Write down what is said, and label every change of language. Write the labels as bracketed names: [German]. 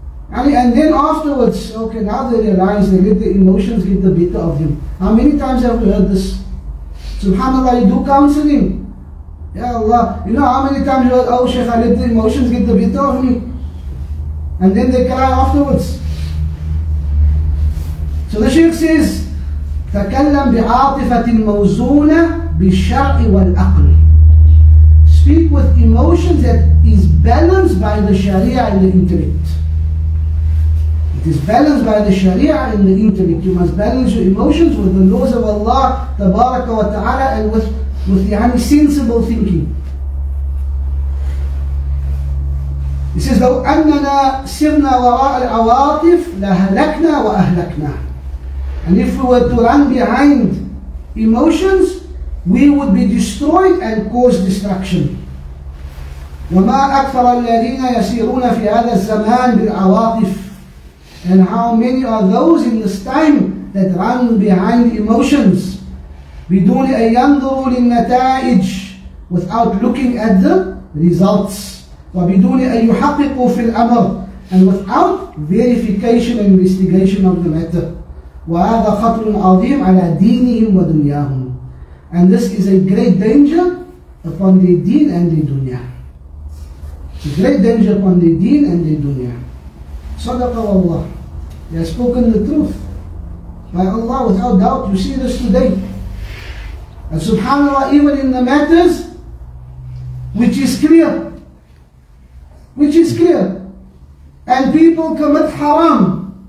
[English] And then afterwards, okay, now they realize, they let the emotions get the better of them. How many times have we heard this? SubhanAllah, you do counseling. Ya Allah, you know how many times you heard, oh Sheikh, I let the emotions get the better of me. And then they cry afterwards. So the Sheikh says, [Arabic] تَكَلَّمْ بِعَاطِفَةٍ مَوْزُونَ بِالشَّرْءِ وَالْأَقْلِ. [English] Speak with emotions that is balanced by the sharia and the intellect. It is balanced by the sharia and the intellect. You must balance your emotions with the laws of Allah, tabaraka wa ta'ala, and with the sensible thinking. He says, [Arabic] لو أننا سرنا وراء العواطف لهلكنا وأهلكنا. [English] And if we were to run behind emotions, we would be destroyed and cause destruction. [Arabic] وما أكثر الذين يسيرون في هذا الزمان بالعواطف. [English] And how many are those in this time that run behind emotions [Arabic] بدون أن ينظروا للنتائج, [English] without looking at the results, [Arabic] وبدون أن يحققوا في الأمر, [English] and without verification and investigation of the matter. [Arabic] وهذا خطر عظيم على دينهم ودنياهم. [English] And this is a great danger upon their deen and their dunya. A great danger upon their deen and their dunya. Sadaqa wallah. He has spoken the truth. By Allah, without doubt, you see this today. And subhanAllah, even in the matters which is clear, and people commit haram.